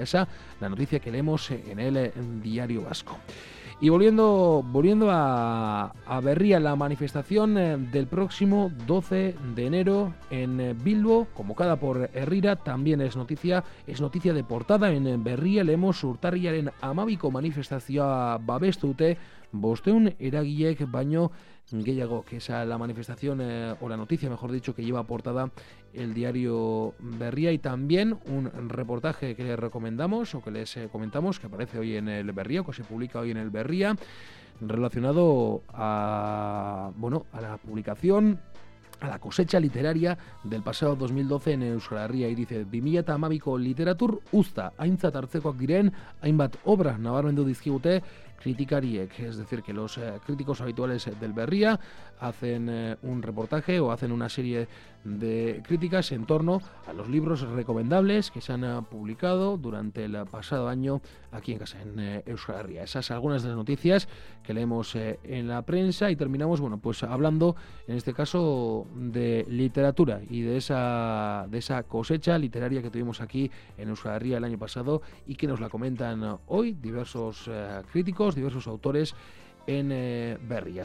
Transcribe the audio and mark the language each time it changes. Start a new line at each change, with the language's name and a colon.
Spanish: Esa la noticia que leemos en el Diario Vasco. Y volviendo a Berría, la manifestación del próximo 12 de enero en Bilbo, convocada por Herrira, también es noticia de portada en Berría. Leemos:
Basque: urtarriaren amabiko manifestazioa babestute, bosteun eragilek baino gehiago.
Spanish: Que esa la manifestación, o la noticia mejor dicho, que lleva portada el diario Berría. Y también un reportaje que les recomendamos o que les comentamos, que aparece hoy en el Berría, que se publica hoy en el Berría, relacionado a la publicación, a la cosecha literaria del pasado 2012 en Euskal Herria. Y dice:
Basque: 2012ko literatur uzta, aintzat hartzekoak diren hainbat obra nabarmendu dizkigute kritikariek,
Spanish: es decir, que los críticos habituales del Berria hacen un reportaje o hacen una serie de críticas en torno a los libros recomendables que se han publicado durante el pasado año aquí en casa, en Euskal Herria. Esas son algunas de las noticias que leemos en la prensa y terminamos, bueno, pues hablando en este caso de literatura y de esa cosecha literaria que tuvimos aquí en Euskal Herria el año pasado y que nos la comentan hoy diversos críticos, diversos autores en Berria.